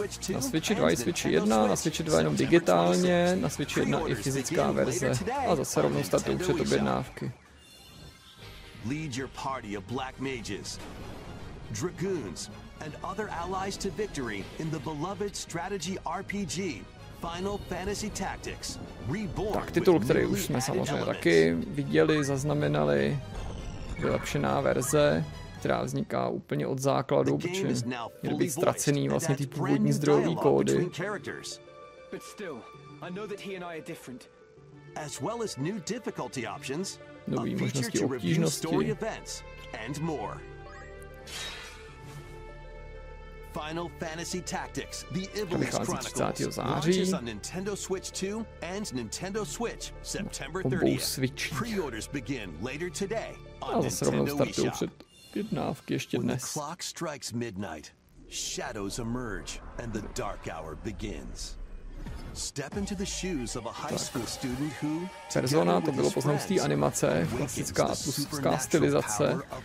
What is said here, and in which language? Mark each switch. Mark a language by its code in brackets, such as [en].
[cs] Na Switchi 2 i Switchi 1, na Switchi 2 jenom digitálně, na Switchi 1 i fyzická verze. A zase rovnou startuju před objednávky. [en] Lead your party of black mages, dragoons and other allies to victory in the beloved strategy RPG Final Fantasy Tactics Reborn. [cs] Tak titul, který už jsme samozřejmě taky viděli, zaznamenali, vylepšená verze, která vzniká úplně od základu, protože měly být ztracený vlastně ty původní zdrojové kódy. [en] But still, I know that he and I are different. As well as new difficulty options, [cs] nové možnosti obtížnosti [en] and more. Final Fantasy Tactics: The Ivalice Chronicles. Launches on Nintendo Switch 2 and Nintendo Switch September 30th. Pre-orders begin later today on Nintendo eShop. [cs] A zase rovnou startuju před Objednávky ještě dnes. [en] When the clock strikes midnight, shadows emerge and the dark hour begins. Step into the shoes of a high school student who, [cs] persona, to bylo poznám z té animace, klasická, tuská stylizace.